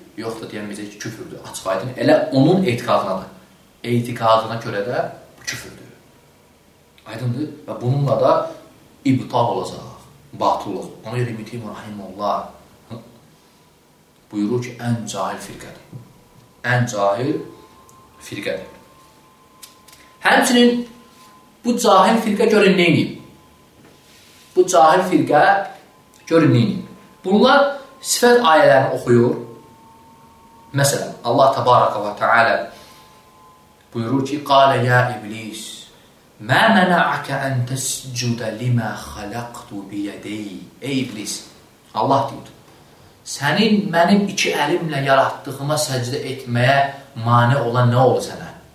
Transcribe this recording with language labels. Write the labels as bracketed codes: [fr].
[az] Yox da deyəməyəcək ki, küfürdür. Açıq aydın. Elə onun etiqadınadır. Etiqadına görə də bu küfürdür. Aydındır. Və bununla da ibtal olacaq. Batılıq. Ona görə ümidim, rahimallah. Buyurur ki, ən cahil firqədir. Ən cahil firqədir. Həmçinin bu cahil firqə görün neyim? Bu cahil firqə görün neyim? Bunlar sifət ayələrini oxuyur. Məsələn, Allah təbarəkə və təalə buyurur ki, [ar] Qalə yə iblis, mə mənəəkə ən təscudə limə xələqdu biyədəyi. [az] Ey iblis, Allah deyir, sənin mənim iki əlimlə yaratdığıma səcdə etməyə mane olan nə olur sənə?